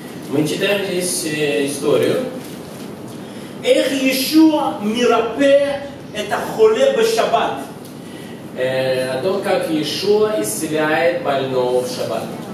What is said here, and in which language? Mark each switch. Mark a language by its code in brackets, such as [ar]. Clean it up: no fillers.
[ru] Мы читаем здесь историю. [he] איך ישוע מרפא את החולה בשבת. [ru] О том, как Иешуа исцеляет больного в шаббат.